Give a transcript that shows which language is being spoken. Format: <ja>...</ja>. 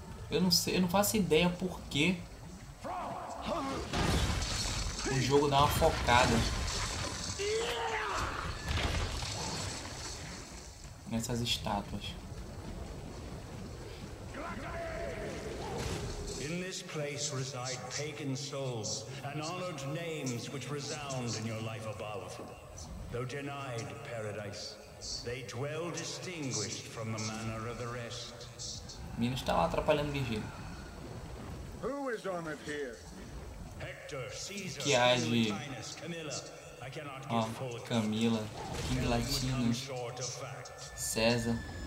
<pt>Eu não sei, eu não faço ideia por que o jogo dá uma focada nessas estátuas.</pt> <en>In this place reside pagan souls and honored names which resound in your life above. Though denied paradise, They dwell distinguished from the manner of the rest.</en> <pt>Minos está lá atrapalhando Virgílio.</pt> <en>Who is on it here? Hector, Caesar,</en> <pt>que age...</pt> <en>Linus, Camilla.</en> <pt>Ó, Camila, King Latino, César.</pt>